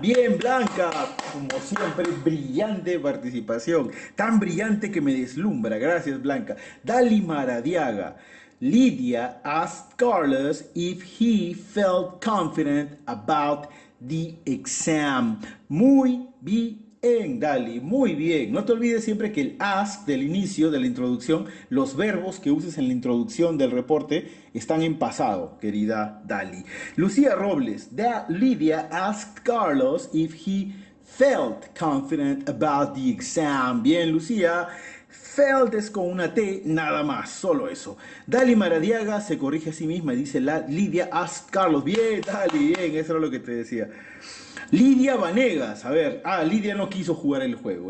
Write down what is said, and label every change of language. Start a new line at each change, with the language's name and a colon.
Spanish: Bien, Blanca. Como siempre, brillante participación. Tan brillante que me deslumbra. Gracias, Blanca. Dali Maradiaga.
English: Lydia asked Carlos if he felt confident about the exam.
Spanish: Muy bien, Dali. Muy bien. No te olvides siempre que el ask del inicio de la introducción, los verbos que uses en la introducción del reporte, están en pasado, querida Dali. Lucía Robles.
English: Lydia asked Carlos if he felt confident about the exam.
Spanish: Bien, Lucía. Felt es con una T, nada más, solo eso. Dali Maradiaga se corrige a sí misma y dice:
English: Lidia asked Carlos.
Spanish: Bien, Dali, bien, eso era lo que te decía. Lidia Vanegas, a ver, Lidia no quiso jugar el juego.